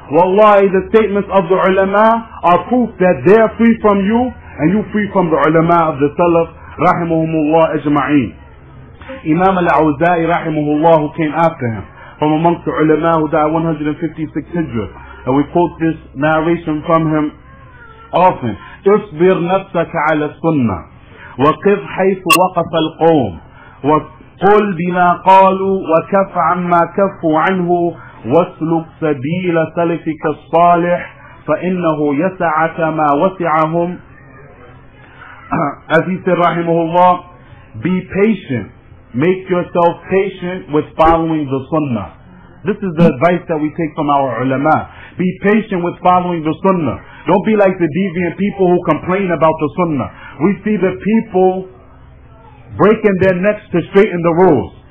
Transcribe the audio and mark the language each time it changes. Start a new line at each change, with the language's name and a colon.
English: Wallahi, the statements of the ulama are proof that they are free from you and you free from the ulama of the Salaf, rahimahumullah ajma'een. Imam al-Awza'i rahimahullah, who came after him from amongst the ulama who died 156 Hijra, and we quote this narration from him often.
Arabic: اصبر نفسك على السنة وقف حيث وقف القوم وقل بما قالوا وكف عما كفوا عنه واسلك سبيل سلفك الصالح فإنه يسعك ما وسعهم.
English: As he said rahimahullah, be patient. Make yourself patient with following the sunnah. This is the advice that we take from our ulama. Be patient with following the sunnah. Don't be like the deviant people who complain about the sunnah. We see the people breaking their necks to straighten the rules.